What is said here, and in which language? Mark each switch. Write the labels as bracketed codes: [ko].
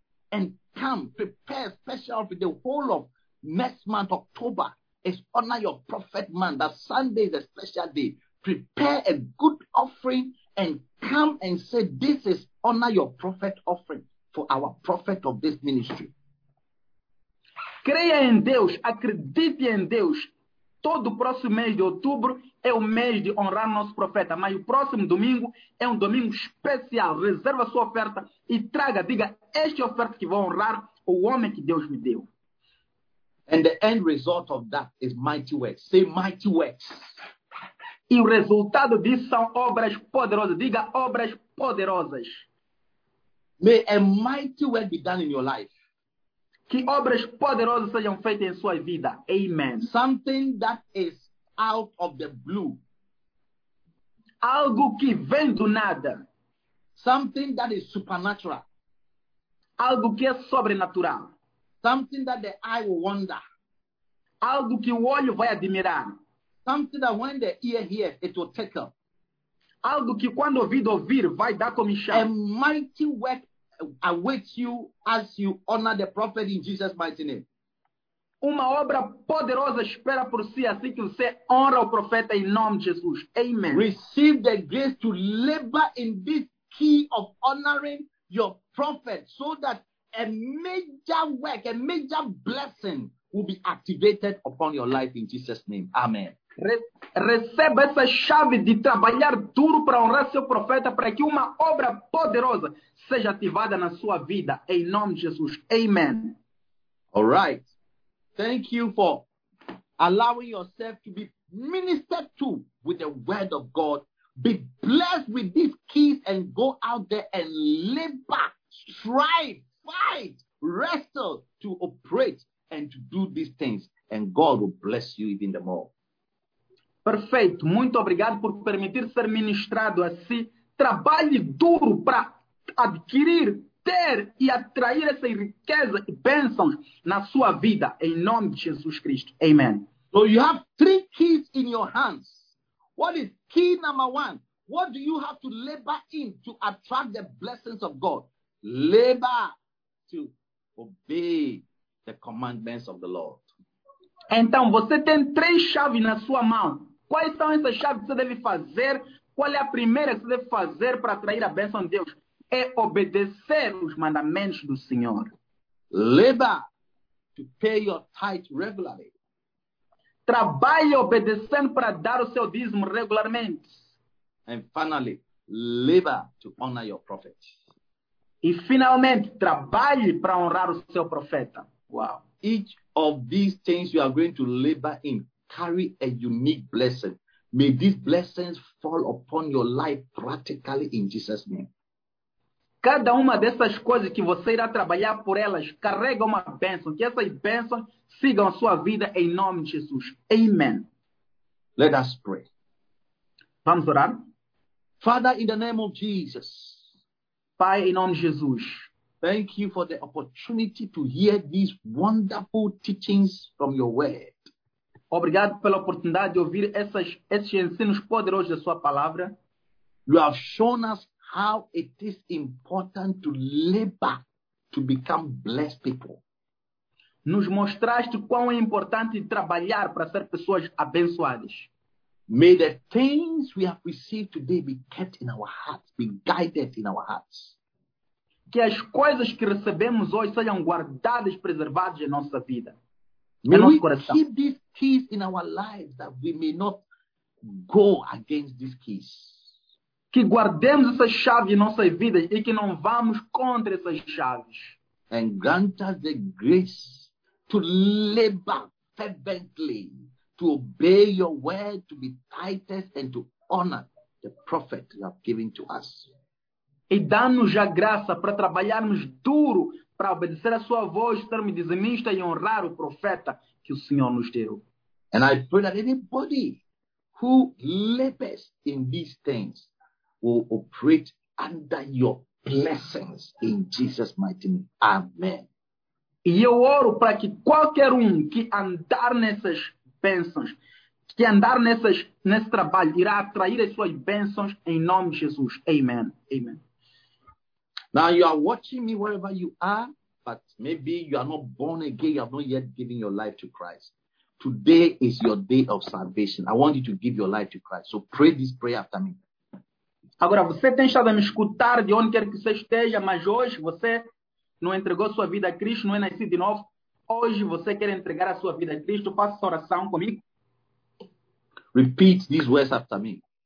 [en] And come, prepare special for the whole of next month, October. It's honor your prophet man. That Sunday is a special day. Prepare a good offering and come and say, this is honor your prophet offering for our prophet of this ministry. [pt] Creia em Deus, acredite em Deus. Todo próximo mês de outubro é o mês de honrar nosso profeta, mas o próximo domingo é domingo especial. Reserva sua oferta e traga, diga, esta oferta que vou honrar o homem que Deus me deu. [en] And the end result of that is mighty works. Say mighty works. [pt] E o resultado disso são obras poderosas. Diga, obras poderosas. [en] May a mighty work be done in your life. [pt] Que obras poderosas sejam feitas em sua vida. Amen. [en] Something that is out of the blue. [pt] Algo que vem do nada. [en] Something that is supernatural. [pt] Algo que é sobrenatural. [en] Something that the eye will wonder. [pt] Algo que o olho vai admirar. [en] Something that when the ear hears, it will tickle. [pt] Algo que quando ouvido ouvir, vai dar comichão. [en] A mighty work awaits you as you honor the prophet in Jesus' mighty name. [pt] Uma obra poderosa espera por si, assim que você honra o profeta em nome de Jesus. Amen. [en] Receive the grace to labor in this key of honoring your prophet so that a major work, a major blessing will be activated upon your life in Jesus' name. Amen. [pt] Receba essa chave de trabalhar duro para honrar seu profeta, para que uma obra poderosa seja ativada na sua vida. Em nome de Jesus. Amen. [en] All right. Thank you for allowing yourself to be ministered to with the word of God. Be blessed with these keys and go out there and labor, strive, fight, wrestle to operate and to do these things. And God will bless you even the more. [pt] Perfeito. Muito obrigado por permitir ser ministrado a si. Trabalhe duro para adquirir, ter e atrair essa riqueza e bênçãos na sua vida. Em nome de Jesus Cristo. Amen. [en] So you have three keys in your hands. What is key number one? What do you have to labor in to attract the blessings of God? Labor to obey the commandments of the Lord. [pt] Então, você tem três chaves na sua mão. Quais são essas chaves que você deve fazer? Qual é a primeira que você deve fazer para atrair a bênção de Deus? É obedecer os mandamentos do Senhor. [en] Labor to pay your tithe regularly. [pt] Trabalhe obedecendo para dar o seu dízimo regularmente. [en] And finally, labor to honor your prophet. [pt] E finalmente, trabalhe para honrar o seu profeta. [en] Wow. Each of these things you are going to labor in carry a unique blessing. May these blessings fall upon your life practically in Jesus' name. [pt] Cada uma dessas coisas que você irá trabalhar por elas carrega uma bênção. Que essas bênçãos sigam a sua vida em nome de Jesus. Amen. [en] Let us pray. [pt] Vamos orar? [en] Father, in the name of Jesus. [pt] Pai, em nome de Jesus. [en] Thank you for the opportunity to hear these wonderful teachings from your word. [pt] Obrigado pela oportunidade de ouvir esses ensinos poderosos da sua palavra. [en] You have shown us how it is important to labor to become blessed people. [pt] Nos mostraste quão é importante trabalhar para ser pessoas abençoadas. [en] May the things we have received today be kept in our hearts, be guided in our hearts. [pt] Que as coisas que recebemos hoje sejam guardadas, preservadas em nossa vida. [en] May [pt] em [en] we [pt] nosso coração. [en] Keep these keys in our lives that we may not go against these keys. [pt] Que guardemos essas chaves em nossas vidas e que não vamos contra essas chaves. [en] And grant us the grace to labor fervently, to obey your word, to be tithers, and to honor the prophet you have given to us. [pt] E dá-nos a graça para trabalharmos duro, para obedecer a sua voz, sermos dizimistas e honrar o profeta que o Senhor nos deu. [en] And I pray that anybody who labors in these things will operate under your blessings in Jesus' mighty name. Amen. [pt] E eu oro para que qualquer um que andar nessas bênçãos, que andar nesse trabalho, irá atrair as suas bênçãos em nome de Jesus. Amen. Amen. [en] Now you are watching me wherever you are, but maybe you are not born again, you have not yet given your life to Christ. Today is your day of salvation. I want you to give your life to Christ. So pray this prayer after me. [pt] Agora, você tem estado a me escutar de onde quer que você esteja, mas hoje você não entregou sua vida a Cristo, não é nascido de novo. Hoje você quer entregar a sua vida a Cristo. Faça essa oração comigo. [en] Repeat these words after me.